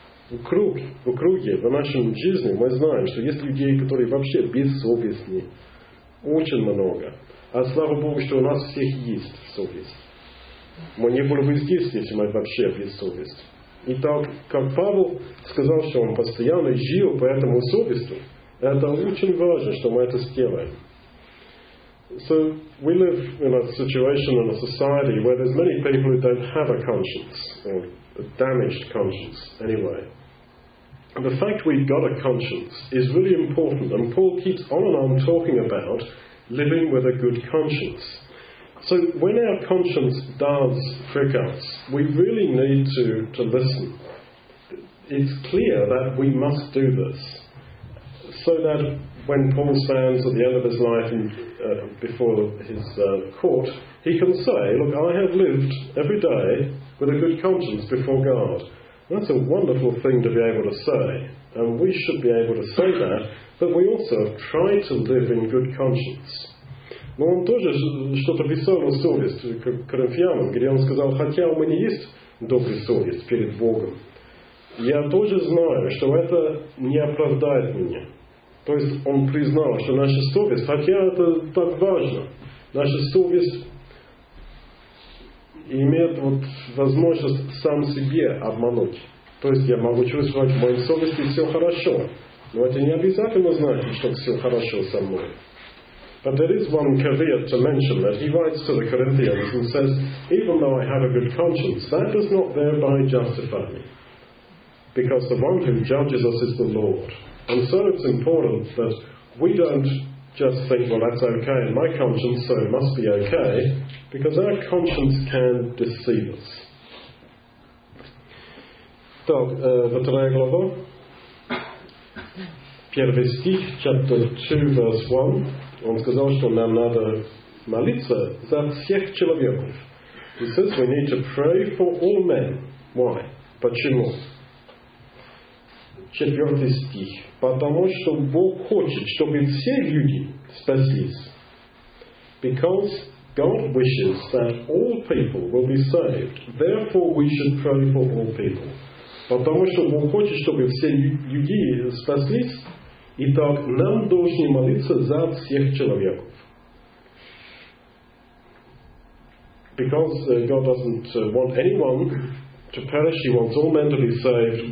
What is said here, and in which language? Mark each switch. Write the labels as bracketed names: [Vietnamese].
[Russian] В круге, в нашем жизни мы знаем, что есть людей, которые вообще бессовестны. Очень много. А слава Богу, что у нас всех есть совесть. Мы не были бы здесь, если мы вообще бессовестны. И так, как Павел сказал, что он постоянно жил по этому совести, это очень важно, что мы это сделаем. [English] So we live in a situation in a society where there's many people who don't have a conscience, or a damaged conscience anyway. The fact we've got a conscience is really important, and Paul keeps on and on talking about living with a good conscience. So when our conscience does prick us, we really need to listen. It's clear that we must do this, so that when Paul stands at the end of his life and before his court, he can say, look, I have lived every day with a good conscience before God. That's a wonderful thing to be able to say, and we should be able to say that, but we also have tried to live in good conscience. [Russian] Но он тоже что-то писал о совести к Коринфянам, где он сказал, хотя у меня есть добрая совесть перед Богом, я тоже знаю, что это не оправдает меня. То есть он признал, что наша совесть, хотя это так важно, наша совесть имеет вот возможность сам себе обмануть. То есть я могу чувствовать, что в моей совести все хорошо, но это не обязательно значит, что все хорошо со мной. [English] But there is one caveat to mention that he writes to the Corinthians and says, even though I have a good conscience, that does not thereby justify me, because the one who judges us is the Lord. And so it's important that we don't just think, well, that's okay in my conscience, so it must be okay, because our conscience can deceive us. [Russian] Так, вторая глава. первый стих, [English] chapter 2, verse 1, [Russian] он сказал, что нам надо молиться за всех человеков. [English] He says we need to pray for all men. Why? [Russian] Почему? Четвертый стих. Потому что Бог хочет, чтобы все люди спаслись. [English] Because God wishes that all people will be saved. Therefore, we should pray for all people. [Russian] Потому что Бог хочет, чтобы все люди спаслись. Итак, нам должны молиться за всех человеков. [English] Because God doesn't want anyone to perish, He wants all men to be saved.